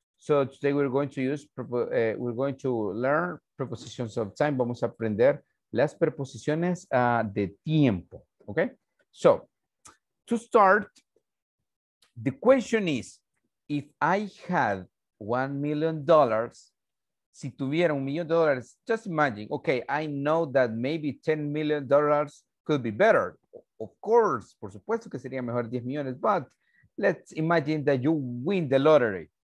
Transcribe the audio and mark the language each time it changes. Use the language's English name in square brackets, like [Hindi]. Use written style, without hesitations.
[English] So today we're going to learn prepositions of time. [Spanish] Vamos a aprender las preposiciones de tiempo, okay? [English] So to start, the question is, if I had $1 million, [Spanish] si tuviera $1 million, [English] just imagine, okay, I know that maybe $10 million could be better. Of course, [Spanish] por supuesto que sería mejor 10 millones, [English] but let's imagine that you win the lottery.